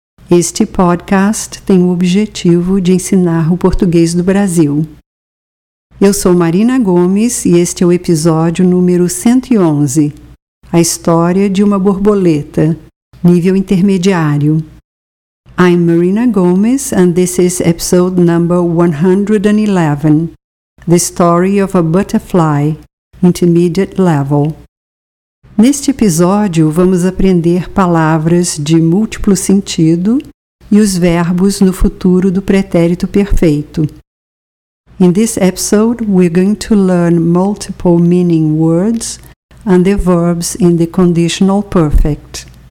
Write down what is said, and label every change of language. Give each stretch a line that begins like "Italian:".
Portuguese: Este podcast tem o objetivo de ensinar o português do Brasil. Eu sou Marina Gomes e este é o episódio número 111, A História de uma Borboleta, Nível Intermediário.
English: I'm Marina Gomes and this is episode number 111. The Story of a Butterfly, Intermediate Level.
Portuguese: Neste episódio, vamos aprender palavras de múltiplo sentido e os verbos no futuro do pretérito perfeito.
English: In this episode, we're going to learn multiple meaning words and the verbs in the conditional perfect.